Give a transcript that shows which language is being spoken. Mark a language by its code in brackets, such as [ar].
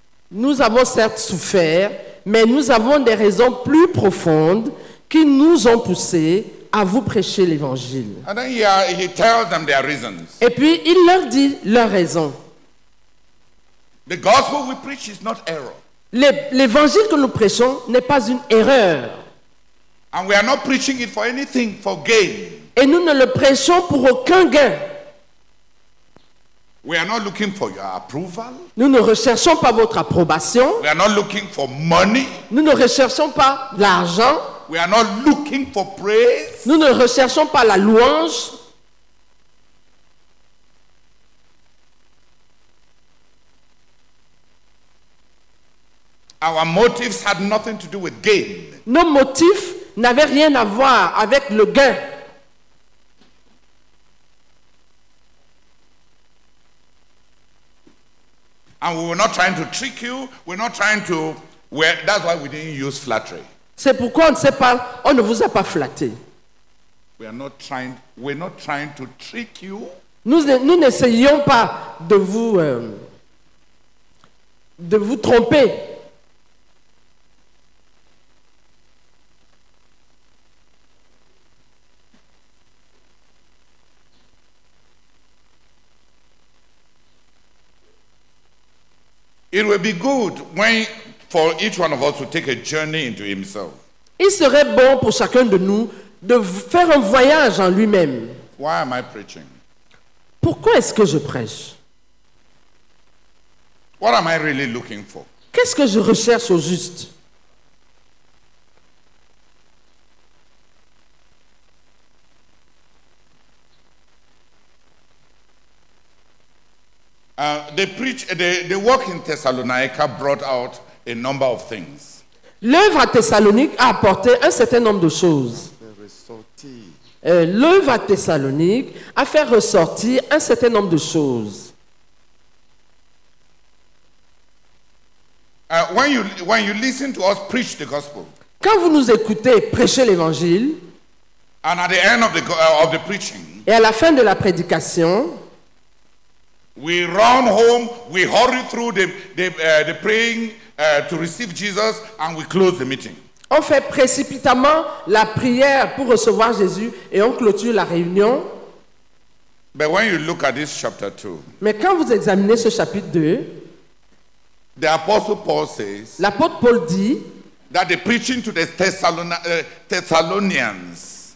[fr] Nous avons certes souffert, mais nous avons des raisons plus profondes qui nous ont poussés à vous prêcher l'évangile. [en] And then he tells them their reasons. [fr] Et puis il leur dit leurs raisons. [en] The gospel we preach is not error. [fr] L'évangile que nous prêchons n'est pas une erreur. [en] And we are not preaching it for anything, for gain. [fr] Et nous ne le prêchons pour aucun gain. [en] We are not looking for your approval. [fr] Nous ne recherchons pas votre approbation. [en] We are not looking for money. [fr] Nous ne recherchons pas l'argent. [en] We are not looking for praise. [fr] Nous ne recherchons pas la louange. [en] Our motives had nothing to do with gain. [fr] Nos motifs n'avaient rien à voir avec le gain. [en] And we were not trying to trick you. We're not trying to. That's why we didn't use flattery. [fr] C'est pourquoi on ne vous a pas flatté. [en] We are not trying. We're not trying to trick you. [fr] Nous n'essayons pas de vous tromper. [en] It would be good when for each one of us to take a journey into himself. [fr] Il serait bon pour chacun de nous de faire un voyage en lui-même. [en] Why am I preaching? [fr] Pourquoi est-ce que je prêche? [en] What am I really looking for? [fr] Qu'est-ce que je recherche au juste? [en] The work in Thessalonica brought out a number of things. [fr] L'œuvre à Thessalonique a apporté un certain nombre de choses. L'œuvre à Thessalonique a fait ressortir un certain nombre de choses. [en] When you listen to us preach the gospel. [fr] Quand vous nous écoutez prêcher l'évangile. [en] And at the end of the preaching. [fr] Et à la fin de la prédication. [en] We run home, we hurry through the praying to receive Jesus, and we close the meeting. [fr] On fait précipitamment la prière pour recevoir Jésus et on clôture la réunion. [en] But when you look at this chapter 2, [fr] mais quand vous examinez ce chapitre 2, [en] the apostle Paul says, [fr] l'apôtre Paul dit [en] that the preaching to the Thessalonians,